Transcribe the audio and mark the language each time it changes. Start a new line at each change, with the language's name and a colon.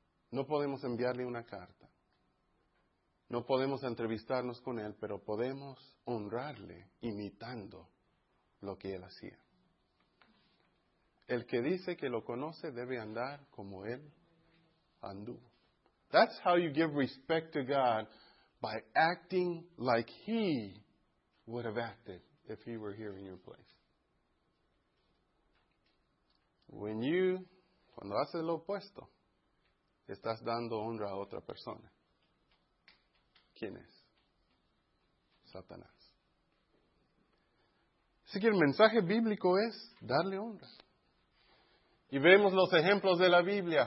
Spanish: No podemos enviarle una carta. No podemos entrevistarnos con Él, pero podemos honrarle imitando lo que Él hacía. El que dice que lo conoce debe andar como Él anduvo.
English: That's how you give respect to God. By acting like he would have acted if he were here in your place.
Spanish: Cuando haces lo opuesto, estás dando honra a otra persona. ¿Quién es? Satanás. Así que el mensaje bíblico es darle honra. Y vemos los ejemplos de la Biblia.